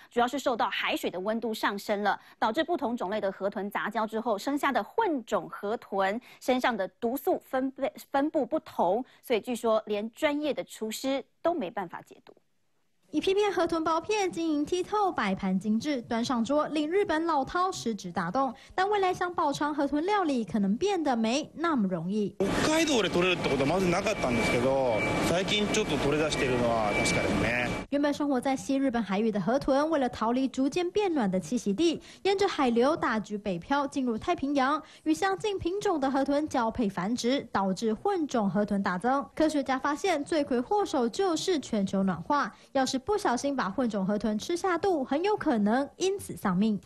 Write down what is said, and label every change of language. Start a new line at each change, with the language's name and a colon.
Chinese: 主要是受到海水的温度上升了，导致不同种类的河豚杂交之后生下的混种河豚身上的毒素分布不同，所以据说连专业的厨师都没办法解毒。一片片河豚薄片晶莹剔透，摆盘精致，端上桌令日本老饕食指大动。但未来想饱尝河豚料理，可能变得没那么容易。
Japanese: 北海道で取れるってことはまずなかったんですけど、最近ちょっと取れ出しているのは確かですね。
Chinese: 原本生活在西日本海域的河豚，为了逃离逐渐变暖的栖息地，沿着海流大举北漂，进入太平洋，与相近品种的河豚交配繁殖，导致混种河豚大增。科学家发现，罪魁祸首就是全球暖化。要是不小心把混种河豚吃下肚，很有可能因此丧命。